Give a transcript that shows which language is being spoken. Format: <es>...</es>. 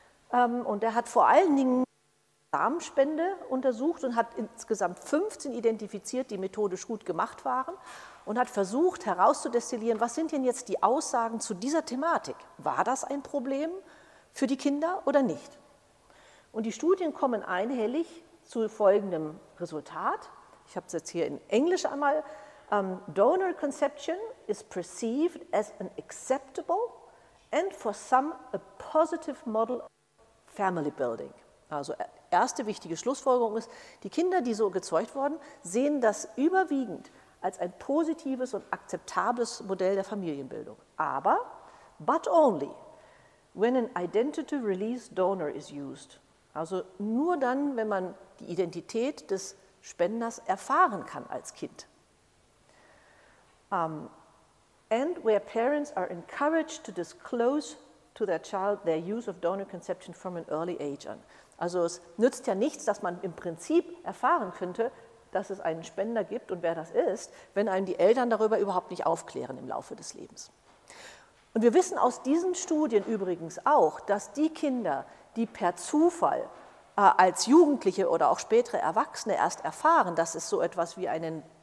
<de>Und er hat vor allen Dingen Samenspende untersucht und hat insgesamt 15 identifiziert, die methodisch gut gemacht waren, und hat versucht herauszudestillieren, was sind denn jetzt die Aussagen zu dieser Thematik? War das ein Problem für die Kinder oder nicht? Und die Studien kommen einhellig zu folgendem Resultat. Ich habe es jetzt hier in Englisch einmal.</de> <en>Donor conception is perceived as an acceptable and for some a positive model of family building.</en> <de>Also erste wichtige Schlussfolgerung ist, die Kinder, die so gezeugt wurden, sehen das überwiegend als ein positives und akzeptables Modell der Familienbildung. Aber,</de> <en>but only, when an identity release donor is used.</en> <de>Also nur dann, wenn man die Identität des Spenders erfahren kann als Kind.</de> <en>And where parents are encouraged to disclose to their child their use of donor conception from an early age on.</en> <de>Also es nützt ja nichts, dass man im Prinzip erfahren könnte, dass es einen Spender gibt und wer das ist, wenn einem die Eltern darüber überhaupt nicht aufklären im Laufe des Lebens. Und wir wissen aus diesen Studien übrigens auch, dass die Kinder, die per Zufall als Jugendliche oder auch spätere Erwachsene erst erfahren, dass es so etwas wie einen</de>